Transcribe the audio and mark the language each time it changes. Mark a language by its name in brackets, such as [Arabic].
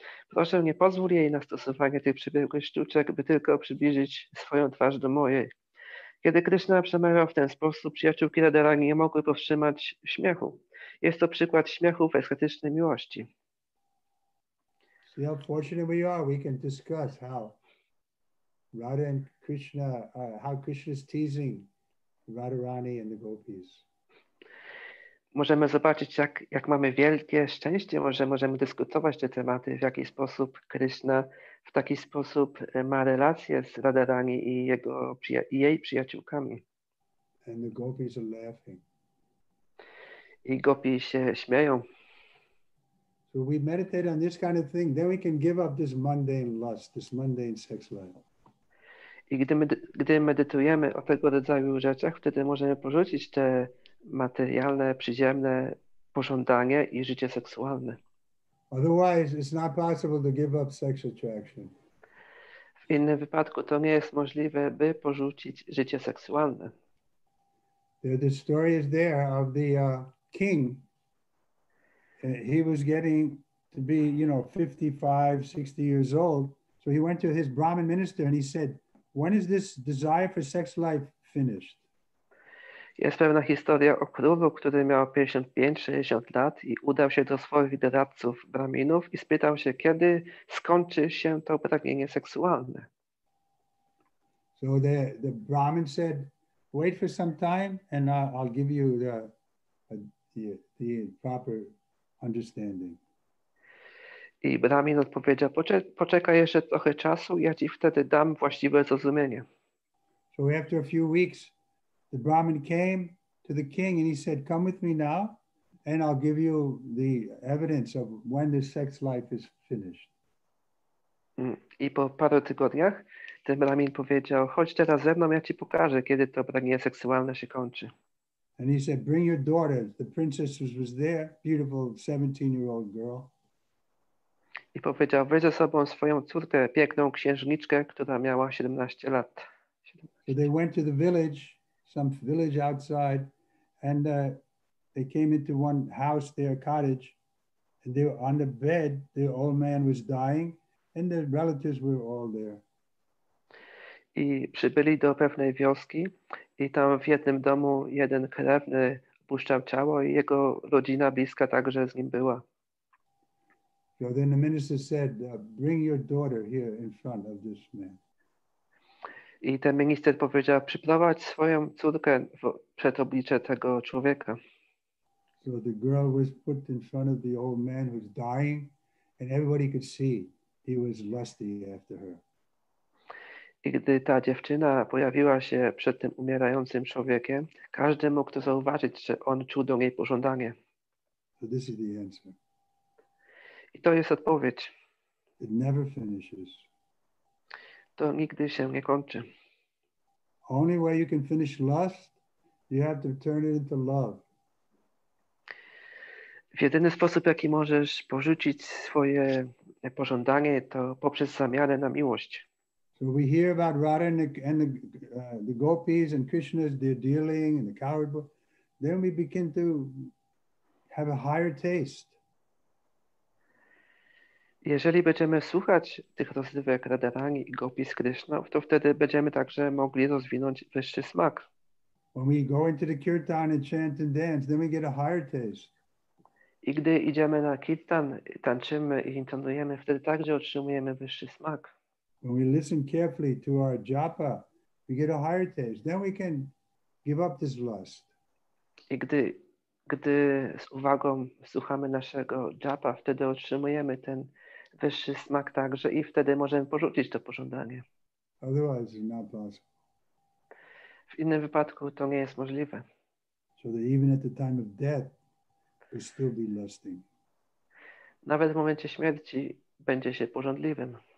[Polish] Proszę, nie pozwól jej na stosowanie tych przybiegłych sztuczek, by tylko przybliżyć swoją twarz do mojej." Kiedy Krishna przemawiał w ten sposób, przyjaciółki Radharani nie mogły powstrzymać śmiechu. Jest to przykład śmiechu w ekstatycznej miłości. [English] See how fortunate we are. We can discuss how Radha and Krishna, how Krishna is teasing Radharani and the gopis. [Polish] Możemy zobaczyć, jak mamy wielkie szczęście, może możemy dyskutować te tematy, w jaki sposób Krishna w taki sposób ma relacje z Radharani i jej przyjaciółkami. [English] And the gopis are laughing. [Polish] I gopi się śmieją. [English] So we meditate on this kind of thing, then we can give up this mundane lust, this mundane sex life. [Polish] I gdy medytujemy o tego rodzaju rzeczach, wtedy możemy porzucić te materialne, przyziemne pożądanie i życie seksualne. [English] Otherwise, it's not possible to give up sex attraction. [Polish] W innym wypadku to nie jest możliwe, by porzucić życie seksualne. [English] The story is there of the king. He was getting to be, you know, 55, 60 years old. So he went to his Brahmin minister and he said, when is this desire for sex life finished? [Polish] Jest pewna historia o królu, który miał 55-60 lat i udał się do swoich doradców, braminów i spytał się, kiedy skończy się to pragnienie seksualne. [English] So the Brahmin said, wait for some time and I'll give you the proper understanding. [Polish] I Brahmin odpowiedział, poczekaj jeszcze trochę czasu, ja ci wtedy dam właściwe zrozumienie. [English] So after a few weeks, the Brahmin came to the king and he said, come with me now and I'll give you the evidence of when the sex life is finished. [Polish] I po paru tygodniach ten Brahmin powiedział, chodź teraz ze mną, ja ci pokażę, kiedy to pragnienie seksualne się kończy. [English] And he said, bring your daughter. The princess was there, beautiful 17-year-old girl. [Polish] I powiedział, weź ze sobą swoją córkę, piękną księżniczkę, która miała 17 lat. [English] So they went to the village, some village outside, and they came into one house there, a cottage, and they were on the bed, the old man was dying, and the relatives were all there. [Polish] I przybyli do pewnej wioski i tam w jednym domu jeden krewny opuszczał ciało i jego rodzina bliska także z nim była. [English] So then the minister said, bring your daughter here in front of this man. [Polish] I ten minister powiedział, przyprowadź swoją córkę przed oblicze tego człowieka. [English] So the girl was put in front of the old man who was dying, and everybody could see he was lusty after her. [Polish] I gdy ta dziewczyna pojawiła się przed tym umierającym człowiekiem, każdy mógł to zauważyć, że on czuł do niej pożądanie. [English] So this is the answer. [Polish] I to jest odpowiedź. [English] It never finishes. [Polish] To nigdy się nie kończy. [English] Only way you can finish lust, you have to turn it into love. [Polish] W jedyny sposób, jaki możesz porzucić swoje pożądanie, to poprzez zamianę na miłość. [English] So we hear about Radha and the gopis and Krishna's their dealing and the coward book. Then we begin to have a higher taste. [Polish] Jeżeli będziemy słuchać tych rozrywek Radharani i Gopis Krishna, to wtedy będziemy także mogli rozwinąć wyższy smak. [English] When we go into the kirtan and chant and dance, then we get a higher taste. [Polish] I gdy idziemy na kirtan, tańczymy i intonujemy, wtedy także otrzymujemy wyższy smak. [English] When we listen carefully to our japa, we get a higher taste. Then we can give up this lust. [Polish] I gdy z uwagą słuchamy naszego japa, wtedy otrzymujemy ten wyższy smak także i wtedy możemy porzucić to pożądanie. [English] Otherwise, it's not possible. [Polish] W innym wypadku to nie jest możliwe. [English] So that even at the time of death, we'll still be lusting. [Polish] Nawet w momencie śmierci będzie się pożądliwym.